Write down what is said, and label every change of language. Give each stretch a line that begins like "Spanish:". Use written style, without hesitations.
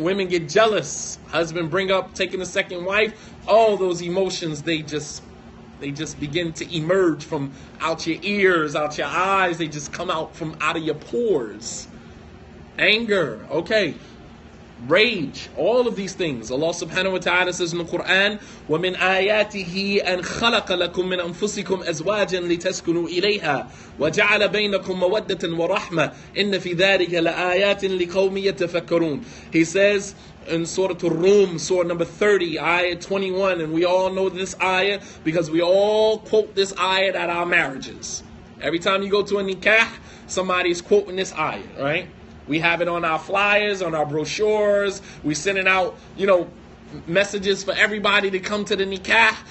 English: Women get jealous. Husband bring up taking a second wife. All those emotions, they just begin to emerge from out your ears, out your eyes. They just come out from out of your pores. Anger, okay. Rage, all of these things. Allah subhanahu wa ta'ala says in the Quran,
Arabic: وَمِنْ آيَاتِهِ أَنْ خَلَقَ لَكُمْ مِنْ أَنفُسِكُمْ أَزْوَاجًا لِتَسْكُنُوا إِلَيْهَا وَجَعَلَ بَيْنَكُمْ مَوَدَّةً وَرَحْمَةً إِنَّ فِي ذَلِكَ لَآيَاتٍ لِقَوْمٍ يَتَفَكَّرُونَ.
English: He says in Surah Ar-Rum, Surah number 30, Ayah 21, and we all know this ayah because we all quote this ayah at our marriages. Every time you go to a nikah, somebody is quoting this ayah, right? We have it on our flyers, on our brochures. We're sending out, you know, messages for everybody to come to the nikah.